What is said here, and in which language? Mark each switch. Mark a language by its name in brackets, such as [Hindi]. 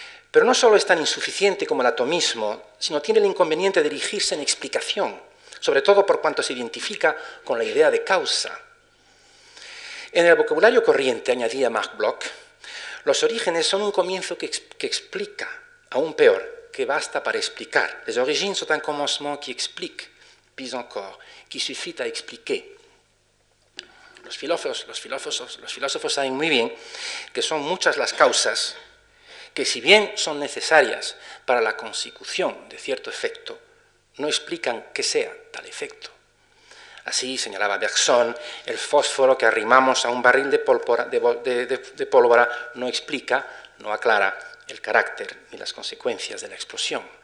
[Spanish] Pero no solo es tan insuficiente como el atomismo, sino tiene el inconveniente de erigirse en explicación, sobre todo por cuanto se identifica con la idea de causa. En el vocabulario corriente, añadía Marc Bloch, los orígenes son un comienzo que explica, aún peor, que basta para explicar. [French] Les origines sont un commencement qui explique, plus encore, qui suffit à expliquer. [Spanish] Los filósofos saben muy bien que son muchas las causas que, si bien son necesarias para la consecución de cierto efecto, no explican qué sea tal efecto. Así señalaba Bergson, el fósforo que arrimamos a un barril de pólvora no explica, no aclara el carácter ni las consecuencias de la explosión.